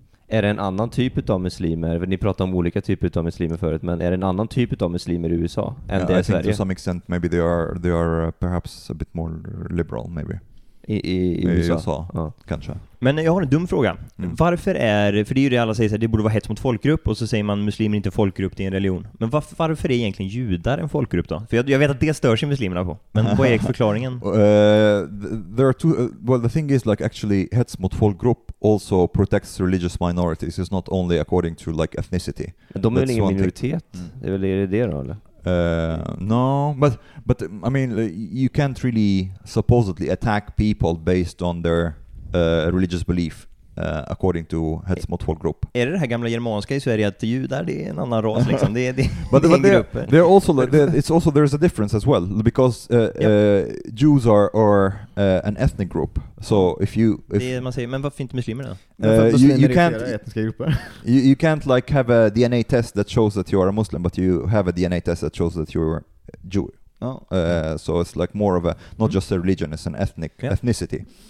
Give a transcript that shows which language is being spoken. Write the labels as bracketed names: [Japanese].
[Swedish] Är det en annan typ av muslimer? Ni pratar om olika typer av muslimer förut, men är det en annan typ av muslimer i USA än det i Sverige? [English] I think to some extent maybe they are perhaps a bit more liberal maybe. [Swedish] I USA. Kanske. Men jag har en dum fråga. Varför är, för det är ju det alla säger, så här, det borde vara hets mot folkgrupp, och så säger man muslimer inte folkgrupp, det är en religion. Men varför är egentligen judar en folkgrupp då? För jag vet att det stör sig muslimerna på. Men vad är förklaringen? [English] There are two, well the thing is like actually hets mot folkgrupp also protects religious minorities. It's not only according to like ethnicity. [Swedish] Men de är ingen minoritet? Det är väl det då eller? [English] No, but I mean you can't really supposedly attack people based on their religious belief according to hets mot folkgrupp. [Swedish] Är det här gamla germanska i Sverige att judar det är en annan ras liksom? Det [English] but [Swedish] det är en grupp. [English] They're also there's a difference as well because Jews are an ethnic group. So if [Swedish] det man säger, men varför inte muslimer då? [English] You can't [Swedish] etniska grupper. [English] You can't like have a DNA test that shows that you are a Muslim, but you have a DNA test that shows that you are Jew. Oh. So it's like more of a not just a religion, it's an ethnic ethnicity.